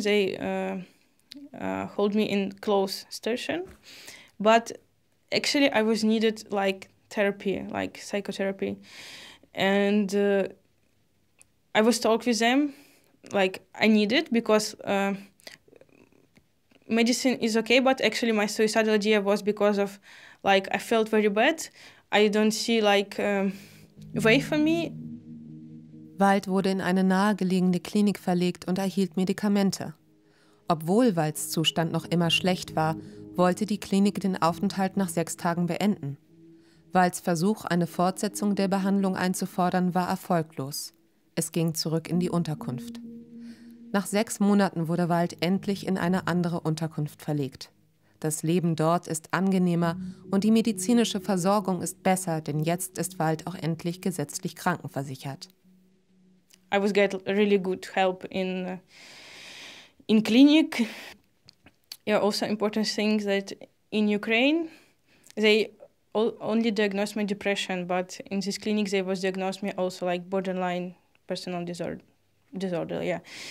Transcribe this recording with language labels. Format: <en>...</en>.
<en>They hold me in close station, but actually I was needed like therapy, like psychotherapy, and I was talk with them, like I need it because. Medicine is okay, but actually my suicidal idea was because of, like, I felt very bad. I don't see, like, way for me.</en> <de>Wald wurde in eine nahegelegene Klinik verlegt und erhielt Medikamente. Obwohl Walds Zustand noch immer schlecht war, wollte die Klinik den Aufenthalt nach 6 Tagen beenden. Walds Versuch, eine Fortsetzung der Behandlung einzufordern, war erfolglos. Es ging zurück in die Unterkunft. Nach 6 Monaten wurde Wald endlich in eine andere Unterkunft verlegt. Das Leben dort ist angenehmer und die medizinische Versorgung ist besser, denn jetzt ist Wald auch endlich gesetzlich krankenversichert.</de> <en>I was get really good help in clinic. Yeah, also important thing that in Ukraine they only diagnosed my depression, but in this clinic they was diagnosed me also like borderline personal disorder, yeah.</en>